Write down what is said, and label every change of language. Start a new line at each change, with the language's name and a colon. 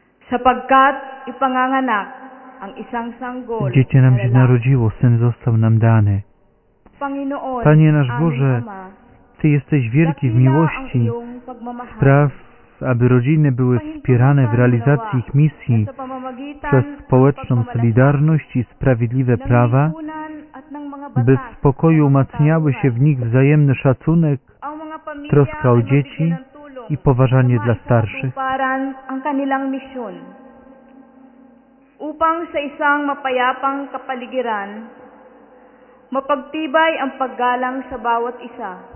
Filipino: Sapagkat ipanganganak ang isang sanggol.
Polish: Dziecię nam się narodziło, syn został nam dany. Panie nasz Boże, Ty jesteś wielki w miłości. Spraw, aby rodziny były wspierane w realizacji ich misji przez społeczną solidarność i sprawiedliwe prawa, by w spokoju umacniały się w nich wzajemny szacunek, troska o dzieci i poważanie dla starszych.
Filipino: Upang sa isang mapayapang kapaligiran, mapagtibay ang paggalang sa bawat isa.